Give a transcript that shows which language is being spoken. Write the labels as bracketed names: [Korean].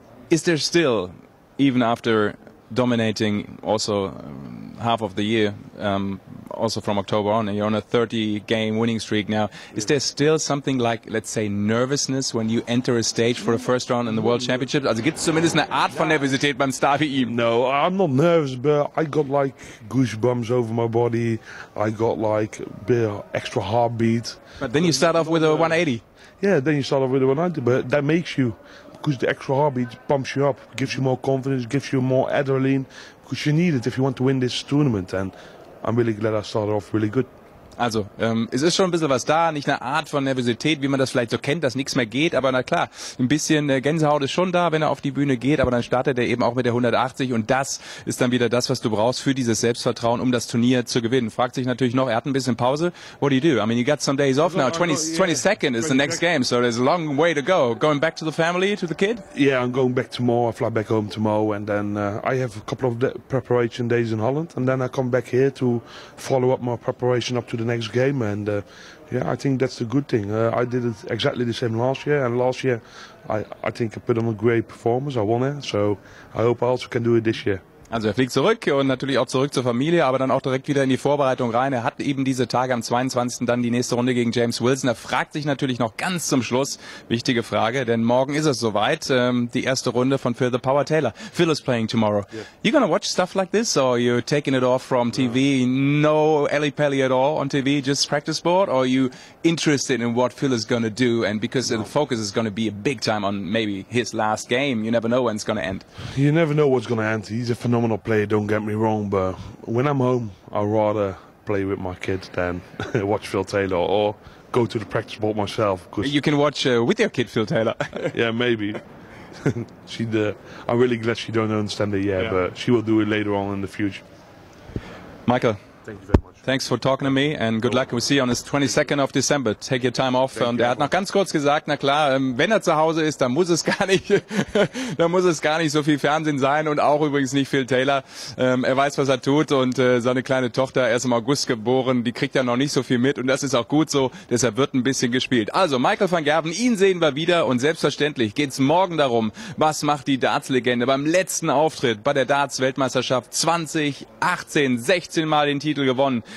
[English] Is there still, even after dominating also half of the year, also from October on, and you're on a 30-game winning streak now. Is there still something like, let's say, nervousness when you enter a stage for the first round in the World Championship? [German] Also, gibt's zumindest eine Art von Nervosität beim Star wie ihm? [English] No, I'm not nervous, but I got like goosebumps over my body. I got like a bit extra heartbeat. But then you start off with a 180. Yeah, then you start off with a 190, but that makes you, because the extra heartbeat pumps you up, gives you more confidence, gives you more adrenaline, because you need it if you want to win this tournament. And I'm really glad I started off really good. [German] Also, es ist schon ein bisschen was da, nicht eine Art von Nervosität, wie man das vielleicht so kennt, dass nichts mehr geht, aber na klar, ein bisschen Gänsehaut ist schon da, wenn er auf die Bühne geht, aber dann startet er eben auch mit der 180 und das ist dann wieder das, was du brauchst für dieses Selbstvertrauen, um das Turnier zu gewinnen. Fragt sich natürlich noch, er hat ein bisschen Pause. [English] What do you do? I mean, you got some days off now. 22nd is the next game, so there's a long way to go. Going back to the family, to the kid? Yeah, I'm going back tomorrow. I fly back home tomorrow and then I have a couple of preparation days in Holland and then I come back here to follow up my preparation up to the next game. And yeah, I think that's the good thing. I did it exactly the same last year, and last year I think I put on a great performance. I won it, so I hope I also can do it this year. [German] Also er fliegt zurück und natürlich auch zurück zur Familie, aber dann auch direkt wieder in die Vorbereitung rein. Er hat eben diese Tage am 22. dann die nächste Runde gegen James Wilson. Er fragt sich natürlich noch ganz zum Schluss, wichtige Frage, denn morgen ist es soweit, die erste Runde von Phil the Power Taylor. [English] Phil is playing tomorrow. Yeah. You gonna watch stuff like this or you taking it off from TV? No Ali Pelli at all on TV, just practice board? Or are you interested in what Phil is gonna do? And because the focus is gonna be a big time on maybe his last game, you never know when it's gonna end. You never know what's gonna end. He's a phenomenal player, don't get me wrong, but when I'm home, I'd rather play with my kids than watch Phil Taylor or go to the practice board myself. Cause you can watch with your kid, Phil Taylor. Yeah, maybe. I'm really glad she don't understand it yet, but she will do it later on in the future. Michael, thank you very much. Thanks for talking to me and good luck. We'll see you on the 22nd of December. Take your time off. [German] Und er hat noch ganz kurz gesagt, na klar, wenn er zu Hause ist, dann muss es gar nicht, dann muss es gar nicht so viel Fernsehen sein und auch übrigens nicht Phil Taylor. Er weiß, was er tut und seine kleine Tochter, er ist im August geboren, die kriegt ja noch nicht so viel mit und das ist auch gut so. Deshalb wird ein bisschen gespielt. Also Michael van Gerwen, ihn sehen wir wieder und selbstverständlich geht es morgen darum, was macht die Darts-Legende beim letzten Auftritt bei der Darts-Weltmeisterschaft 2018, 16 Mal den Titel gewonnen.